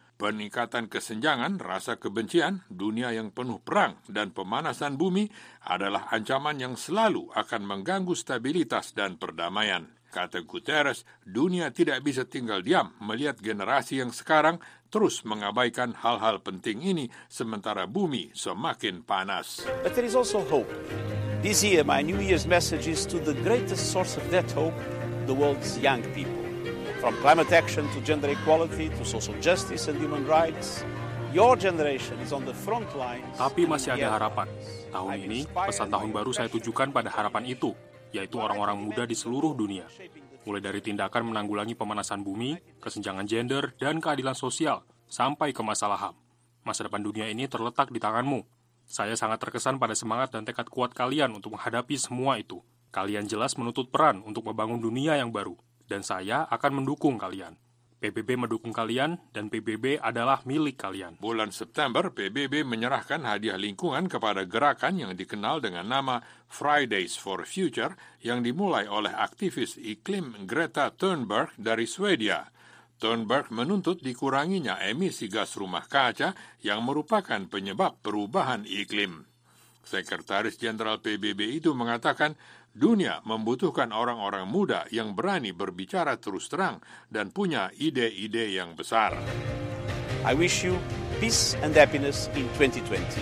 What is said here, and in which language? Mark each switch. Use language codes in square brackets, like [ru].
[id] Peningkatan kesenjangan, rasa kebencian, dunia yang penuh perang, dan pemanasan bumi adalah ancaman yang selalu akan mengganggu stabilitas dan perdamaian. Kata Guterres, dunia tidak bisa tinggal diam melihat generasi yang sekarang terus mengabaikan hal-hal penting ini sementara bumi semakin panas. [en] But there is also hope. This year, my New Year's message is to the greatest source of that hope, the world's young people. From climate action to gender equality to social justice and human rights, your generation is on the front lines. [id] Tapi masih ada harapan. Tahun ini, pesan tahun baru saya tujukan pada harapan itu, yaitu orang-orang muda di seluruh dunia. Mulai dari tindakan menanggulangi pemanasan bumi, kesenjangan gender, dan keadilan sosial, sampai ke masalah HAM. Masa depan dunia ini terletak di tanganmu. Saya sangat terkesan pada semangat dan tekad kuat kalian untuk menghadapi semua itu. Kalian jelas menuntut peran untuk membangun dunia yang baru, dan saya akan mendukung kalian. PBB mendukung kalian, dan PBB adalah milik kalian. Bulan September, PBB menyerahkan hadiah lingkungan kepada gerakan yang dikenal dengan nama Fridays for Future, yang dimulai oleh aktivis iklim Greta Thunberg dari Swedia. Thunberg menuntut dikuranginya emisi gas rumah kaca yang merupakan penyebab perubahan iklim. Sekretaris Jenderal PBB itu mengatakan, dunia membutuhkan orang-orang muda yang berani berbicara terus terang dan punya ide-ide yang besar. [en] I wish you peace and happiness in 2020.